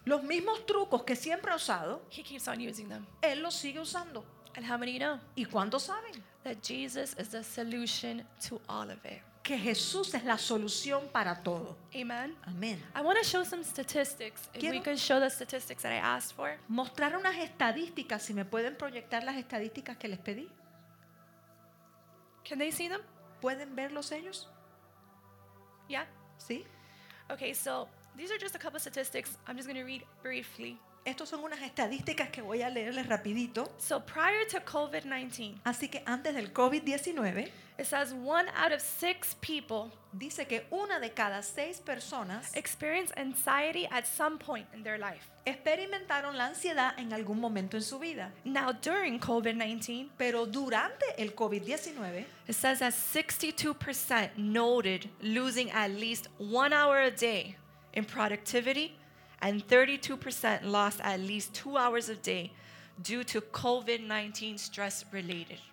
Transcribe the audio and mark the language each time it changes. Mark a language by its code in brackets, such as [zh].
[es] Los mismos trucos que siempre ha usado. [en] He keeps on using them. [es] Él los sigue usando. [en] And how many of you know? [es] ¿Y cuántos saben? [en] That Jesus is the solution to all of it. [es] Que Jesús es la solución para todo. [en] Amen. [es] Amen. [en] I want to show some statistics. [es] Quiero [en] if we could show the statistics that I asked for. [es] Mostrar unas estadísticas, si me pueden proyectar las estadísticas que les pedí. [en] Can they see them? [es] ¿Pueden verlos ellos? [en] Yeah. [es] Sí. [en] Okay, so these are just a couple of statistics. I'm just going to read briefly. [es] Estos son unas estadísticas que voy a leerles rapidito. [en] So prior to COVID-19. [es] Así que antes del COVID-19. [en] It says one out of six people. [es] Dice que una de cada seis personas. [en] Experience anxiety at some point in their life. [es] Experimentaron la ansiedad en algún momento en su vida. [en] Now during COVID-19. [es] Pero durante el COVID-19. [en] It says that 62% noted losing at least 1 hour a day in productivity. And 32% lost at least 2 hours a day due to COVID-19 stress related.